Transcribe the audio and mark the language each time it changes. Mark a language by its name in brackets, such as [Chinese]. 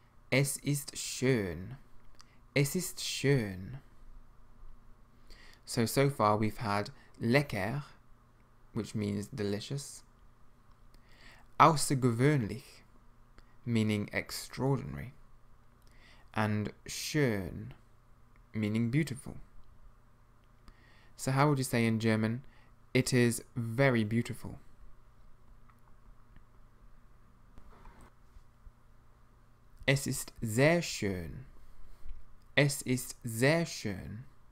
[German] Es ist schön. Es ist schön. [English] So far we've had lecker, which means delicious. Außergewöhnlich, meaning extraordinary. And schön, meaning beautiful. So how would you say in German, it is very beautiful? [German] Es ist sehr schön. Es ist sehr schön.